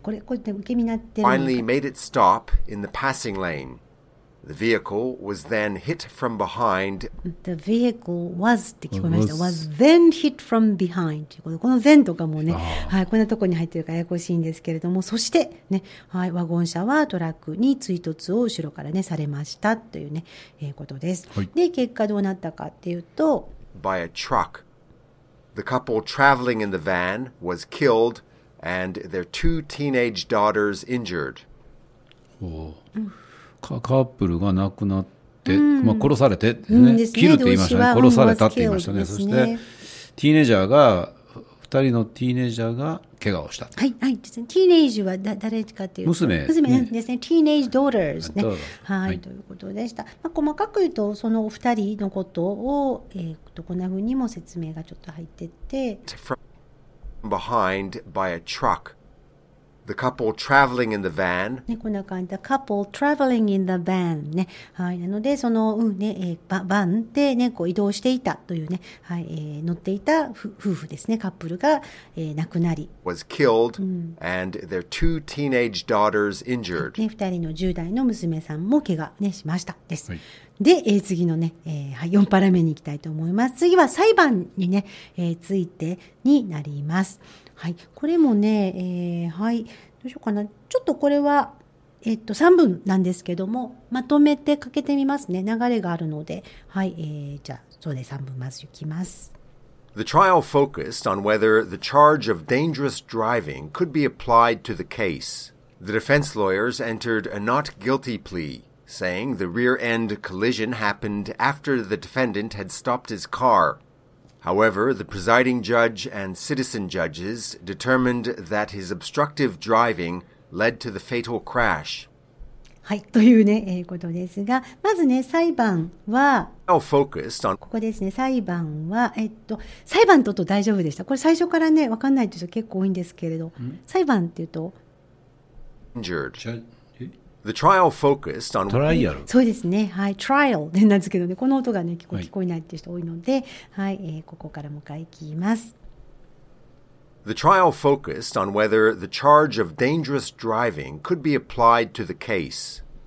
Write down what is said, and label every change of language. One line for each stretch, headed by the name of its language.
Japanese: これ、こうやって受け身になってる。
English: Finally made it stop in the passing lane. The vehicle was then hit from behind. The vehicle was
Japanese: って聞こえました。
English: Was then hit from behind.
Japanese: この then とかもね、はい、こんなとこに入ってるからややこしいんですけれども、そして、ね、はい、ワゴン車はトラックに追突を後ろからね、されましたというね、ことです、はい。で、結果どうなったかっていうと、
English: By a truck. The couple traveling in the van was killed and their two teenage daughters injured.
Japanese: おぉ。カップルが亡くなって、うん、まあ、殺されて、ねうんね、キルって言いましたね、殺されたって言いましたね、そして、ティーネイジャーが、2人のティーネイジャーが怪我をした。はい、はい、ですね、ティーネイジは誰かっていうと、娘ですね、ティーネイジ・ドーダーズね、はい、ということでした。まあ、細かく言うと、その2人のことを、こんなふうにも説明がちょっと入ってて。
English: From behind by a truck. The couple traveling in the van.
Japanese: ね、こんな感じ。
English: The couple traveling in the van.
Japanese: ね、はい。なので、その、うん、ね、バンでね、こう移動していたというね、はい、乗っていた夫婦ですね、カップルが、亡くなり。
English: Was killed and their two teenage daughters injured.
Japanese: ね、二人の10代の娘さんも怪我、ね、しました。です。はい、で、次のね、はい、4パラ目に行きたいと思います。次は裁判にね、ついてになります。はい、これもね、はい、どうしようかな、ちょっとこれは、3文なんですけども、まとめてかけてみますね、流れがあるので、はい、じゃあ、そうで3文、まずいきます。
English: The trial focused on whether the charge of dangerous driving could be applied to the case. The defense lawyers entered a not guilty plea, saying the rear end collision happened after the defendant had stopped his car. However, the presiding judge and citizen judges determined that his obstructive driving led to the fatal crash.
Japanese: はい、というね、ことですが、まずね、裁判は、
English: focused on
Japanese: ここですね、裁判は、裁判と大丈夫でした。これ最初からね、分かんないという人結構多いんですけれど、裁判っていうと、
English: injured. The trial focused on
Japanese: トライアル。そうですね。はい。トライアルなんですけどね。この音がね、結構聞こえないっていう人多いので、はい。はい、ここからもう一回聞きます。
English: The trial focused on whether the charge of dangerous driving could be applied to the case.